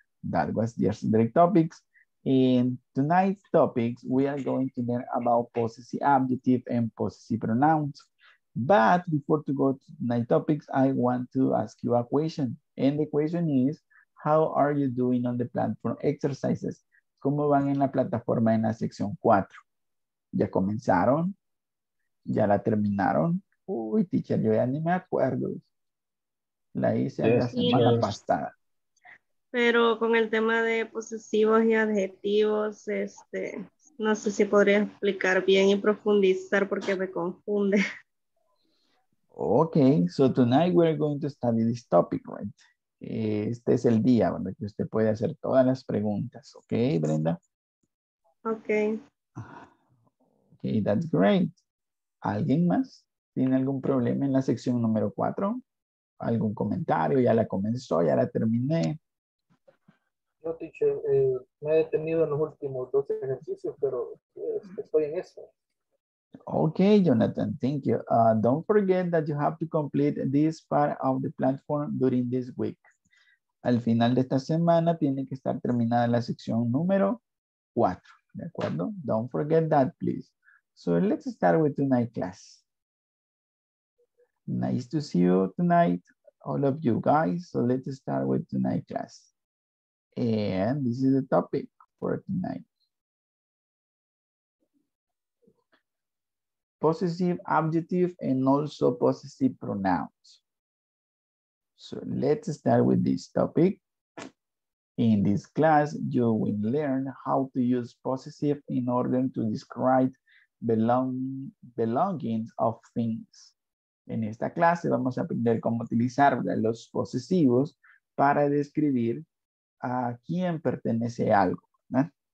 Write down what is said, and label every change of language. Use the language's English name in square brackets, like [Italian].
[English] That was yesterday's topics. In tonight's topics, we are going to learn about possessive adjective and possessive pronouns. But before to go to tonight's topics, I want to ask you a question. And the question is, how are you doing on the platform exercises? [Spanish] ¿Cómo van en la plataforma en la sección 4? ¿Ya comenzaron? ¿Ya la terminaron? Uy, teacher, yo ya ni me acuerdo. La hice la semana pasada. Pero con el tema de posesivos y adjetivos, no sé si podría explicar bien y profundizar porque me confunde. [English] Okay, so tonight we're going to study this topic, right? [Spanish] Este es el día donde usted puede hacer todas las preguntas, okay, Brenda? [English] Okay. Okay, that's great. [Spanish] ¿Alguien más tiene algún problema en la sección número 4? ¿Algún comentario? Ya la comenzó, ya la terminé. No, teacher, me he detenido en los últimos dos ejercicios, pero estoy en eso. [English] Okay, Jonathan, thank you. Don't forget that you have to complete this part of the platform during this week. [Spanish] Al final de esta semana tiene que estar terminada la sección número 4, ¿de acuerdo? [English] Don't forget that, please. So let's start with tonight class. Nice to see you tonight, all of you guys. So let's start with tonight class. And this is the topic for tonight. Possessive adjective and also possessive pronouns. So let's start with this topic. In this class, you will learn how to use possessive in order to describe belongings of things. [Spanish] En esta clase vamos a aprender cómo utilizar los posesivos para describir a quién pertenece algo, ¿no?